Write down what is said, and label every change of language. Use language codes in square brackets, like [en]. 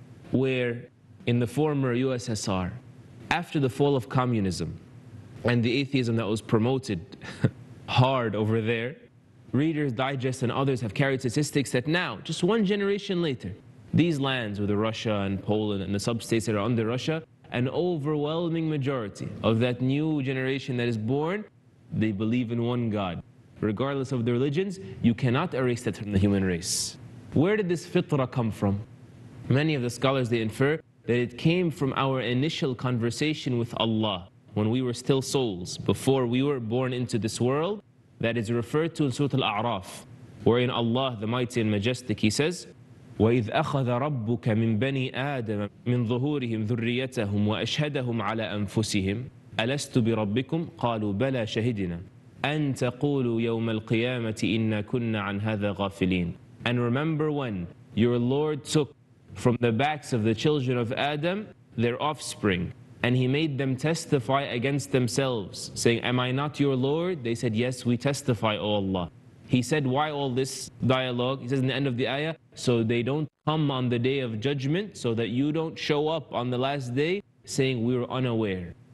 [en] where in the former USSR, after the fall of communism and the atheism that was promoted hard over there, Reader's Digest and others have carried statistics that now, just one generation later, these lands with Russia and Poland and the sub-states that are under Russia, an overwhelming majority of that new generation that is born, they believe in one God. Regardless of the religions, you cannot erase that from the human race. Where did this fitrah come from? Many of the scholars, they infer that it came from our initial conversation with Allah when we were still souls, before we were born into this world, that is referred to in Surah Al-A'raf, wherein Allah, the Mighty and Majestic, He says, [ar] وَإِذْ أَخَذَ رَبُّكَ مِنْ بَنِي آدَمَ مِنْ ظُهُورِهِمْ ذُرِّيَّتَهُمْ وَأَشْهَدَهُمْ عَلَىٰ أَنفُسِهِمْ أَلَسْتُ بِرَبِّكُمْ قَالُوا بَلَىٰ شَهِدِنَا أَنْ تَقُولُوا يَوْمَ الْقِيَامَةِ إِنَّا كُنَّا عَنْ هَذَا غَافِلِينَ. [en] And remember when your Lord took from the backs of the children of Adam their offspring, and He made them testify against themselves, saying, Am I not your Lord? They said, Yes, we testify, O Allah. He said, why all this dialogue? He says in the end of the ayah, so they don't come on the day of judgment, so that you don't show up on the last day saying we were unaware.